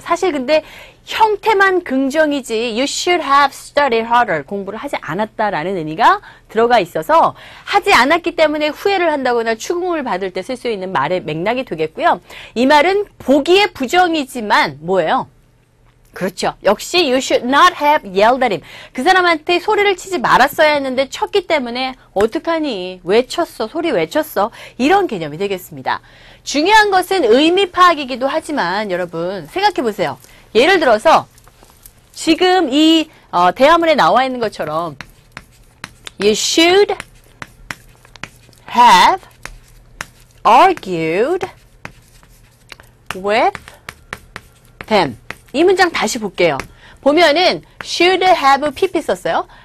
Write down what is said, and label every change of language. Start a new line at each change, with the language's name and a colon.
Korean: 사실 근데 형태만 긍정이지
English: you should have studied harder
Korean: 공부를 하지 않았다라는 의미가 들어가 있어서 하지 않았기 때문에 후회를 한다거나 추궁을 받을 때 쓸 수 있는 말의 맥락이 되겠고요. 이 말은 보기에 부정이지만 뭐예요? 그렇죠.
English: 역시 you should not have yelled at him.
Korean: 그 사람한테 소리를 치지 말았어야 했는데 쳤기 때문에 어떡하니? 왜 쳤어? 소리 왜 쳤어? 이런 개념이 되겠습니다. 중요한 것은 의미 파악이기도 하지만 여러분 생각해 보세요. 예를 들어서 지금 이 대화문에 나와 있는 것처럼
English: you should have argued with them.
Korean: 이 문장 다시 볼게요. 보면은 should have pp 썼어요.